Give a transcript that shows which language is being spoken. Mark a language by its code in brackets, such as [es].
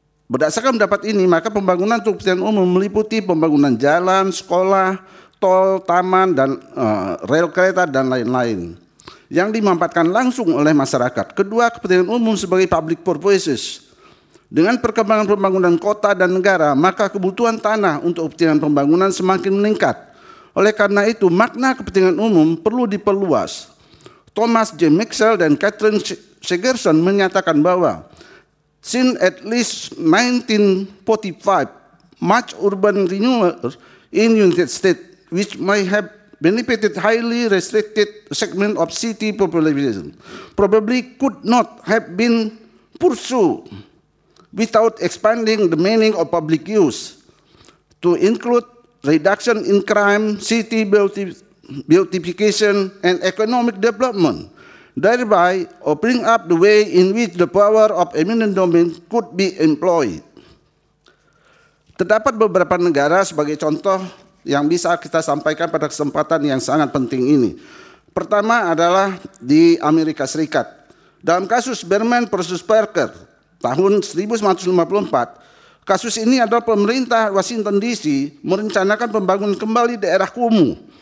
[id] Berdasarkan pendapat ini, maka pembangunan untuk kepentingan umum meliputi pembangunan jalan, sekolah, tol, taman, dan rel kereta, dan lain-lain, yang dimanfaatkan langsung oleh masyarakat. Kedua, kepentingan umum sebagai public purposes. Dengan perkembangan pembangunan kota dan negara, maka kebutuhan tanah untuk kepentingan pembangunan semakin meningkat. Oleh karena itu, makna kepentingan umum perlu diperluas. Thomas J. [en] Mixell dan Catherine Segerson [id] menyatakan bahwa [en] since at least 1945, much urban renewal in United States which may have benefited highly restricted segment of city population probably could not have been pursued without expanding the meaning of public use to include reduction in crime, city beautification, and economic development, thereby opening up the way in which the power of eminent domain could be employed. [id] Terdapat beberapa negara sebagai contoh yang bisa kita sampaikan pada kesempatan yang sangat penting ini. Pertama adalah di Amerika Serikat. Dalam kasus Berman versus Parker tahun 1954, kasus ini adalah pemerintah Washington DC merencanakan pembangunan kembali daerah kumuh.